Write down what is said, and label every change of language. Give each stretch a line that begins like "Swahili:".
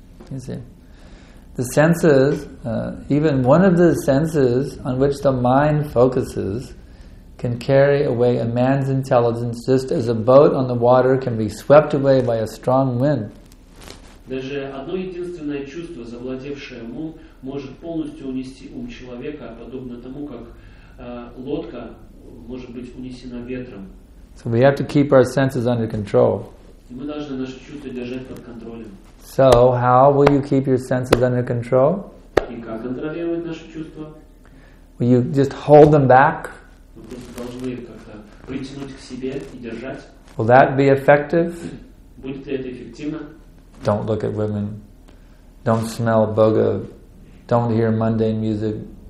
English: You see, the senses, even one of the senses on which the mind focuses, can carry away a man's intelligence just as a boat on the water can be swept away by a strong wind.
Russian: Даже одно единственное чувство, завладевшее умом, может полностью унести ум человека, подобно тому, как лодка может быть унесена ветром.
English: So we have to keep our senses under control.
Russian: И мы должны наши чувства держать под контролем.
English: So how will you keep your senses under control?
Russian: И как контролировать наши чувства?
English: Will you just hold them back?
Russian: Мы просто должны их как-то притянуть к себе и держать.
English: Will that be effective?
Russian: Будет ли это эффективно?
English: Don't look at women. Don't smell boga. Don't hear mundane music.